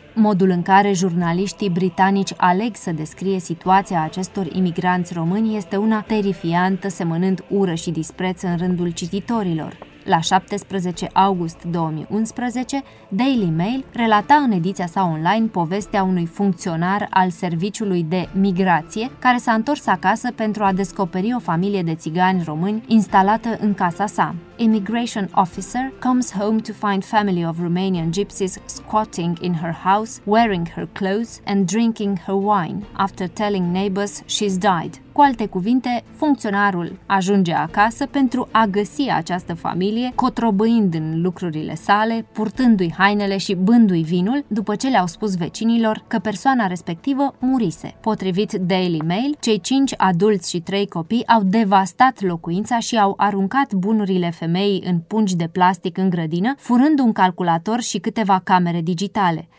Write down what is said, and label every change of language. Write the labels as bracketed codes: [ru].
[ro] Modul în care jurnaliștii britanici aleg să descrie situația acestor imigranți români este una terifiantă, semănând ură și dispreț în rândul cititorilor. La 17 august 2011, Daily Mail relata în ediția sa online povestea unui funcționar al serviciului de migrație care s-a întors acasă pentru a descoperi o familie de țigani români instalată în casa sa. [en] Immigration officer comes home to find family of Romanian gypsies squatting in her house, wearing her clothes and drinking her wine after telling neighbors she's died. [ro] Cu alte cuvinte, funcționarul ajunge acasă pentru a găsi această familie, cotrobâind în lucrurile sale, purtându-i hainele și bându-i vinul, după ce le-au spus vecinilor că persoana respectivă murise. Potrivit Daily Mail, cei 5 adulți și 3 copii au devastat locuința și au aruncat bunurile femeii în pungi de plastic în grădină, furând un calculator și câteva camere digitale.